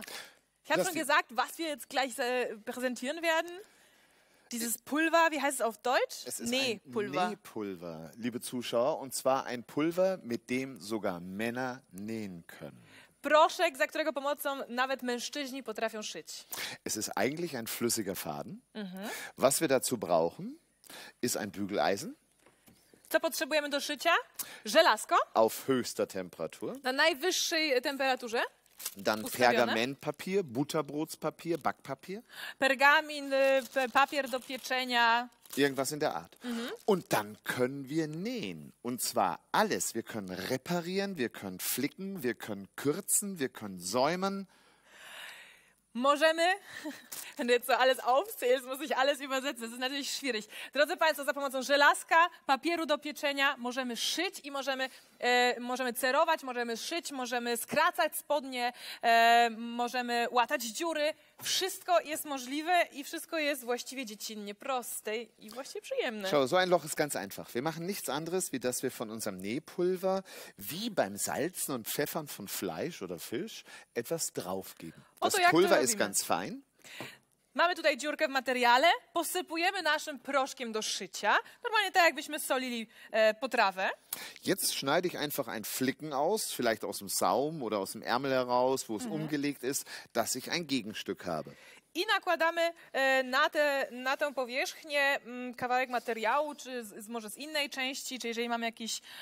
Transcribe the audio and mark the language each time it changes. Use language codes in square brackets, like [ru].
[de] Ich habe schon gesagt, was wir jetzt gleich präsentieren werden. Dieses Pulver, wie heißt es auf Deutsch? Es ist Nähpulver. Nähpulver, liebe Zuschauer. Und zwar ein Pulver, mit dem sogar Männer nähen können. [pl] Proszek, za którego pomocą nawet mężczyźni potrafią szyć. [de] Es ist eigentlich ein flüssiger Faden. Mhm. Was wir dazu brauchen, ist ein Bügeleisen. [pl] Co potrzebujemy do szycia? Żelazko. [de] Auf höchster Temperatur. [pl] Na najwyższej temperaturze. [de] Dann Pergamentpapier, Butterbrotspapier, Backpapier. [pl] Pergamin, papier do pieczenia. [de] Irgendwas in der Art. Mhm. Und dann können wir nähen. Und zwar alles. Wir können reparieren, wir können flicken, wir können kürzen, wir können säumen. [pl] Możemy, [de] wenn du jetzt so alles aufzählst, muss ich alles übersetzen. Das ist natürlich schwierig. [pl] Drodzy Państwo, za pomocą żelazka, papieru do pieczenia możemy szyć i możemy cerować, możemy szyć, możemy skracać spodnie, możemy łatać dziury. Wszystko jest możliwe i wszystko jest właściwie dziecinnie proste i właściwie przyjemne. [de] Schau, so ein Loch ist ganz einfach. Wir machen nichts anderes, wie dass wir von unserem Nähpulver, wie beim Salzen und Pfeffern von Fleisch oder Fisch, etwas draufgeben. Das Pulver ist ganz fein. [pl] Mamy tutaj dziurkę w materiale, posypujemy naszym proszkiem do szycia, normalnie tak, jakbyśmy solili potrawę. [de] Jetzt schneide ich einfach ein Flicken aus, vielleicht aus dem Saum oder aus dem Ärmel heraus, wo es umgelegt ist, dass ich ein Gegenstück habe. [pl] I nakładamy na tę powierzchnię kawałek materiału, czy może z innej części, czy jeżeli mam jakiś...